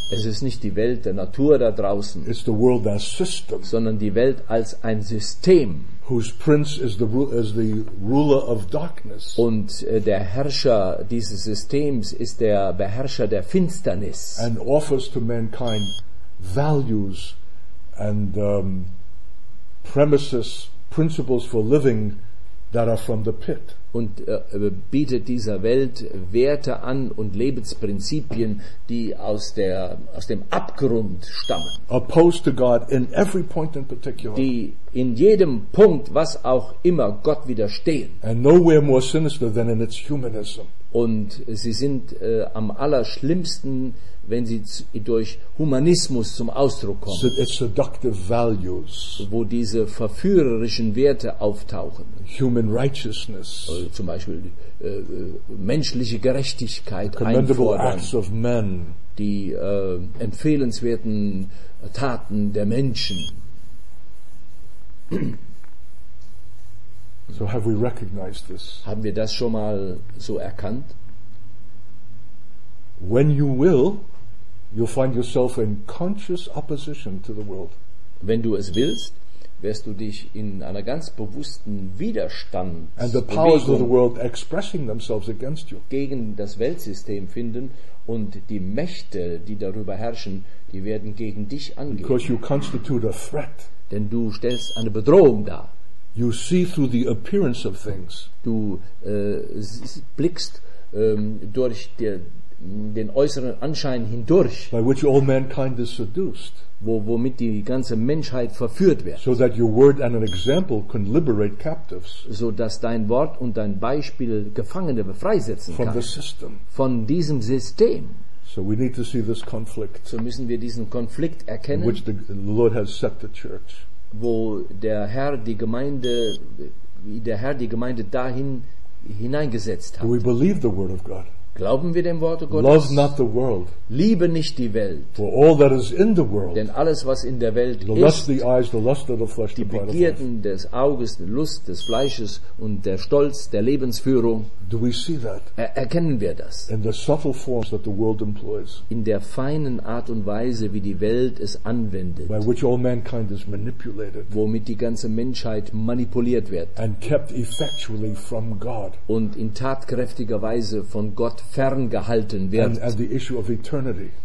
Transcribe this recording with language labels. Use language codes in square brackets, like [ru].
[de] Es ist nicht die Welt der Natur da draußen. [en] It's the world as system. [de] Sondern die Welt als ein System. [en] Whose prince is the ruler of darkness. [de] Und der Herrscher dieses Systems ist der Beherrscher der Finsternis. [en] And offers to mankind values and premises, principles for living that are from the pit. [de] Und bietet dieser Welt Werte an und Lebensprinzipien, die aus dem Abgrund stammen. [en] Opposed to God in every point in particular. [de] Die in jedem Punkt, was auch immer, Gott widerstehen. [en] And nowhere more sinister than in its humanism. [de] Und sie sind am allerschlimmsten, wenn sie durch Humanismus zum Ausdruck kommen. [en] It's seductive values. [de] Wo diese verführerischen Werte auftauchen. [en] Human righteousness. [de] Also zum Beispiel menschliche Gerechtigkeit [en] commendable [de] einfordern. [en] Acts of men. [de] Die empfehlenswerten Taten der Menschen. [en] So have we recognized this? [de] Haben wir das schon mal so erkannt? [en] When you will, you'll find yourself in conscious opposition to the world. [de] Wenn du es willst, wirst du dich in einer ganz bewussten Widerstand [en] and the powers of the world expressing themselves against you. [de] Gegen das Weltsystem finden und die Mächte, die darüber herrschen, die werden gegen dich angehen. [en] Because you constitute a threat. [de] Denn du stellst eine Bedrohung dar. [en] You see through the appearance of things. [de] Du blickst durch den äußeren Anschein hindurch. [en] By which all mankind is seduced. [de] Womit die ganze Menschheit verführt wird. [en] So that your word and an example can liberate captives. [de] So dass dein Wort und dein Beispiel Gefangene befreisetzen [en] from [de] kann. [en] The system. [de] Von diesem System. [en] So we need to see this conflict. [de] So müssen wir diesen Konflikt erkennen. [en] In which the Lord has set the church. [de] Wo der Herr die Gemeinde, wie der Herr die Gemeinde dahin hineingesetzt hat. [en] Do we believe the word of God? [de] Glauben wir dem Wort Gottes? [en] Love not the world. [de] Liebe nicht die Welt. [en] For all that is in the world. [de] Denn alles, was in der Welt [en] the [de] ist, [en] lust of the eyes, the lust of the flesh, [de] die Begierden des Auges, die Lust des Fleisches und der Stolz der Lebensführung, [en] do we see that? [de] Erkennen wir das? [en] In the subtle forms that the world employs. [de] In der feinen Art und Weise, wie die Welt es anwendet, [en] by which all mankind is manipulated. [de] Womit die ganze Menschheit manipuliert wird [en] and kept effectually from God. [de] Und in tatkräftiger Weise von Gott ferngehalten wird. [en] And the issue of eternity.